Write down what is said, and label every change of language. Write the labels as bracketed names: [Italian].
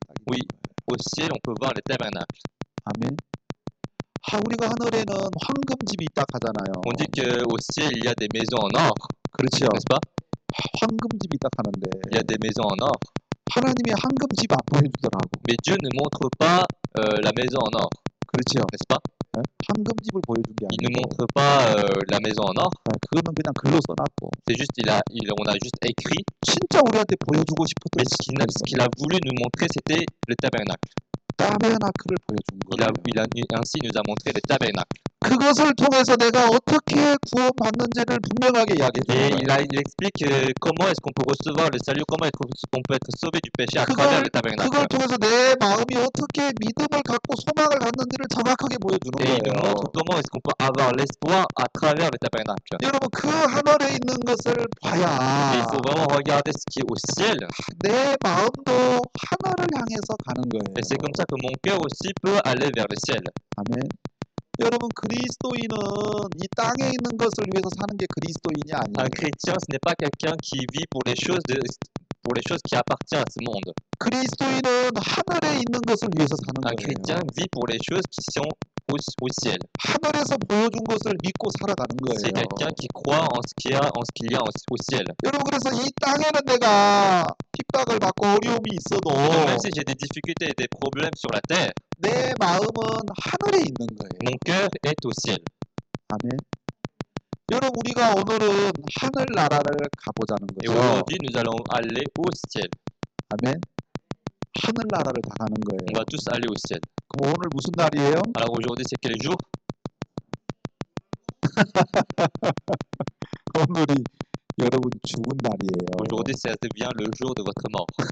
[French] Oui, au ciel, on peut voir le tabernacle. Amen. [Korean] 아, 우리가 하늘에는 황금집이 있다 하잖아요. [French] On dit qu'au ciel, il y a des maisons en or. [Korean] 그렇죠. [French] N'est-ce pas? [Korean] 황금집이 있다 하는데. [French] Il y a des maisons en or. [Korean] 하나님이 황금집 안 보여주더라고. [French] Mais Dieu ne montre pas la maison en or. [Korean] 그렇죠. [French] N'est-ce pas? [Korean] 황금집을 보여준 게 아니고. [French] Il ne montre pas la maison en or. [Korean] 그거는 그냥 글로 써놨고. [French] C'est juste on a juste écrit. [Korean] 진짜 우리한테 보여주고 싶었던. [French] Mais ce qu'il a voulu nous montrer, c'était le tabernacle. [Korean] 타베나클을 보여준 거예요. [French] Il a ainsi nous a montré le tabernacle. [Korean] 그것을 통해서 내가 어떻게 구원받는지를 분명하게 이야기해. [French] Il explique comment est-ce qu'on peut recevoir le salut, comment est-ce qu'on peut être sauvé du péché à travers le tabernacle. [Korean] 그걸 통해서 내 마음이 어떻게 믿음을 갖고 소망을 갖는지를 정확하게 보여주는 거예요. [French] Et il nous montre comment est-ce qu'on peut avoir l'espoir à travers le tabernacle. [Korean] 여러분, 그 하늘에 있는 것을 봐야. [French] Il faut vraiment regarder ce qui est au ciel. [Korean] 내 마음도 하늘을 향해서 가는 거예요. [French] Et c'est comme ça que mon cœur aussi peut aller vers le ciel. Amen. [Korean] 여러분, 그리스도인은 이 땅에 있는 것을 위해서 사는 게 그리스도인이 아니에요. [French] Un chrétien, ce n'est pas quelqu'un qui vit pour les choses qui appartiennent à ce monde. [Korean] 그리스도인은 하늘에 있는 것을 위해서 사는 거예요. [French] Un chrétien vit pour les choses qui sont au ciel. [Korean] 하늘에서 보여준 것을 믿고 살아가는 거예요. [French] C'est quelqu'un qui croit en ce qu'il y a au ciel. [Korean] 여러분, 그래서 이 땅에는 내가 핍박을 받고 어려움이 있어도 [French] Même si j'ai des difficultés et des problèmes sur la terre, [Korean] 내 마음은 하늘에 있는 거예요. [French] Mon cœur est au ciel. [Korean] 아멘. 여러분, 우리가 오늘은 하늘 나라를 가보자는 거예요. [French] Et aujourd'hui, nous allons aller au ciel. [Korean] 아멘. 하늘 나라를 다 가는 거예요. [French] On va tous aller au ciel. Comment on le bousse d'arrière? Alors aujourd'hui, c'est quel jour? [Korean] 오늘이 여러분 죽은 [French] Aujourd'hui, c'est bien le jour de votre mort.